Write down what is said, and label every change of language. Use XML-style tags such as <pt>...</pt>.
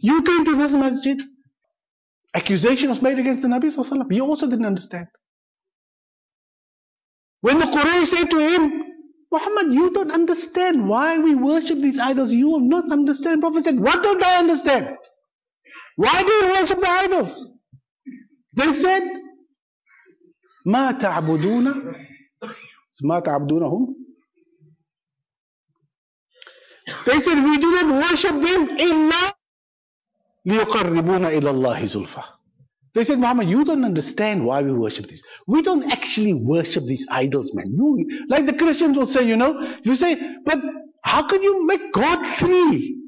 <en>You came to this masjid. Accusation was made against the Nabi Sallallahu Alaihi Wasallam. He also didn't understand. When the Quraysh said to him, Muhammad, you don't understand why we worship these idols. You will not understand. Prophet said, what don't I understand? Why do you worship the idols? They said,</en> <ar>مَا تَعْبُدُونَ مَا تَعْبُدُونَهُمْ.</ar> <en>They said, we do not worship them</en> <ar>إِلَّا لِيُقَرِّبُونَ إِلَى اللَّهِ زُلْفَى.</ar> <en>They said, Muhammad, you don't understand why we worship these. We don't actually worship these idols, man. Like the Christians will say, you know, you say, but how can you make God three?</en>